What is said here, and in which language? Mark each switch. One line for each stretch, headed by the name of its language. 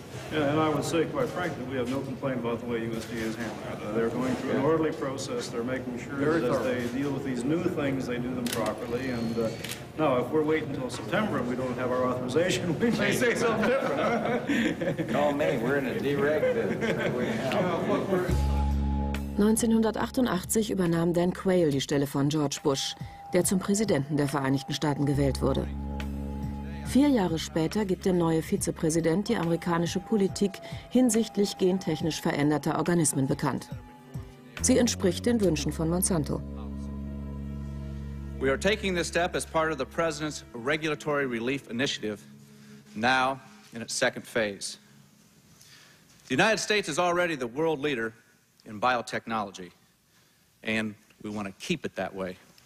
English: Yeah, and I would say, quite frankly, we have no complaint about the way USDA is handling it. They're going through an orderly process. They're making sure that as they deal with these new things, they do them properly. And now, if we're waiting until September and we don't have our authorization, we may say something different. Call me. We're in a dereg business.
German: 1988 übernahm Dan Quayle die Stelle von George Bush, der zum Präsidenten der Vereinigten Staaten gewählt wurde. Vier Jahre später gibt der neue Vizepräsident die amerikanische Politik hinsichtlich gentechnisch veränderter Organismen bekannt. Sie entspricht den Wünschen von Monsanto.
English: We are taking this step as part of the President's Regulatory Relief Initiative, now in its second phase. The United States is already the world leader in biotechnology, and we want to keep it that way.